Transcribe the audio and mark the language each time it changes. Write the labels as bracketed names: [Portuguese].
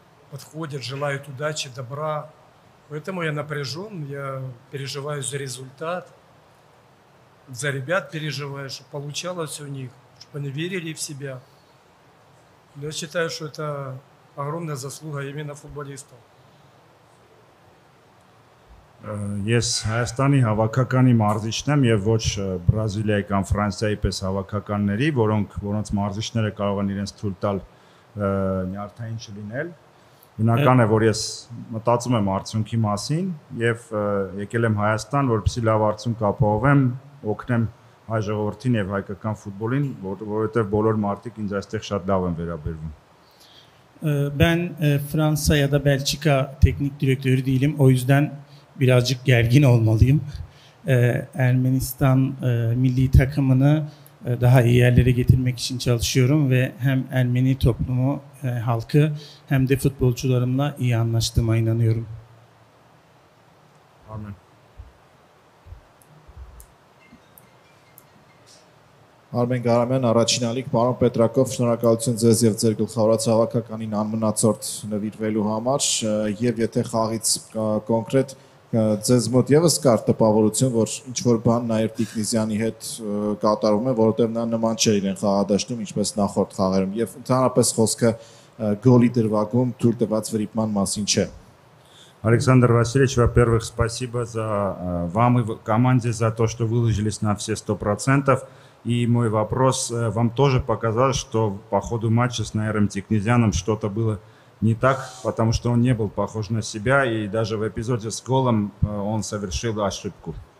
[Russian] Подходят, желают удачи, добра. Поэтому я напряжен, я переживаю за результат, за ребят переживаю, чтобы получалось у них, чтобы они верили в себя. Я считаю, что это огромная заслуга именно футболистов. [Armenian] Ես Հայաստանի հավաքականի մարզիչն եմ եւ ոչ Բրազիլիայի կամ Ֆրանսիայի պես հավաքականների, որոնց մարզիչները կարող են իրենց թույլ տալ նյարդային չլինել։ Բնական է, որ ես մտածում եմ արդյունքի մասին եւ եկել եմ Հայաստան, որպեսզի լավ արդյունք ապահովեմ, օգնեմ հայ ժողովրդին եւ հայկական ֆուտբոլին, որովհետեւ բոլոր մարդիկ ինձ այստեղ շատ լավ են վերաբերվում։ [Turkish] Ben Fransa ya da Belçika teknik direktörü değilim. O yüzden birazcık gergin olmalıyım. Ermenistan milli takımını daha iyi yerlere getirmek için çalışıyorum ve hem Ermeni toplumu, halkı hem de futbolcularımla iyi anlaştığıma inanıyorum. Amin. [Armenian] Armen Garamyan, Arachinalik, Paron Petrakov, շնորհակալություն ձեզ եւ ձեր գլխավորած հավաքականին անմնացորդ նվիրվելու համար եւ եթե խաղից կոնկրետ ձեզ մոտ ևս կար տպավորություն, որ ինչ-որ բան նաև Տիկնիզյանի հետ կատարվում է, որովհետև նա նման չէ իրեն խաղադաշտում, ինչպես նախորդ խաղերում, և ընդհանրապես խոսքը գոլի դրվագում թույլ տված վրիպման մասին չէ։ [Russian] Александр Васильевич, во-первых, спасибо за вам и команде за то, что выложились на все 100%. И мой вопрос, вам тоже показалось, что по ходу матча с Найером Тикнезяном что-то было не так, потому что он не был похож на себя, и даже в эпизоде с голом он совершил ошибку.